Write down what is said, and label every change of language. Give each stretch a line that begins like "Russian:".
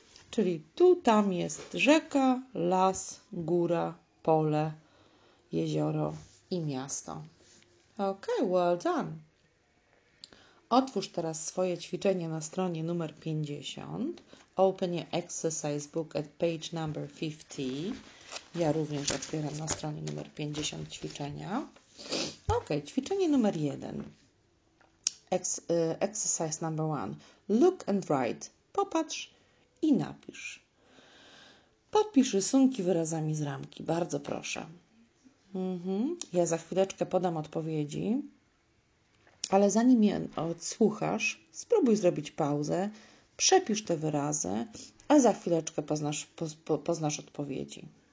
Polish: Czyli tu, tam jest rzeka, las, góra, pole, jezioro i miasto.
English: Ok, well done.
Polish: Otwórz teraz swoje ćwiczenie na stronie numer 50.
English: Open your exercise book at page number 50.
Polish: Ja również otwieram na stronie numer 50 ćwiczenia. Ok, ćwiczenie numer 1.
English: Exercise number 1. Look and write.
Polish: Popatrz i napisz. Podpisz rysunki wyrazami z ramki. Bardzo proszę. Ja za chwileczkę podam odpowiedzi, ale zanim je odsłuchasz, spróbuj zrobić pauzę, przepisz te wyrazy, a za chwileczkę poznasz odpowiedzi.